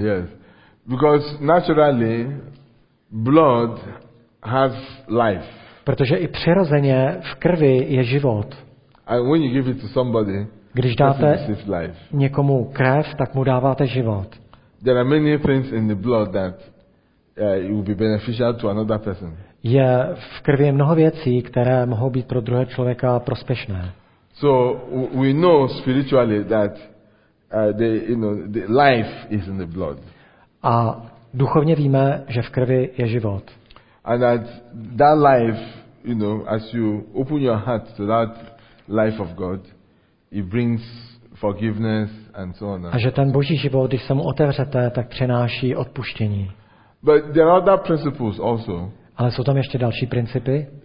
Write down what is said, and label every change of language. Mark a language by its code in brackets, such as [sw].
[en] Yes, because naturally blood has life. [cs] Protože i přirozeně v krvi je život. [en] And when you give it to somebody, [cs] když dáte někomu krev, tak mu dáváte život. [en] There are many things in the blood that it will be beneficial to another person. [cs] Je v krvi mnoho věcí, které mohou být pro druhého člověka prospěšné. [en] So we know spiritually that the life is in the blood. [cs] A duchovně víme, že v krvi je život. [en] And that life, you know, as you open your heart to that life of God, it brings forgiveness and so on. [cs] A že ten boží život, když se mu otevřete, tak přináší odpuštění. [en] But there are other principles also. [cs] Ale jsou tam ještě další principy?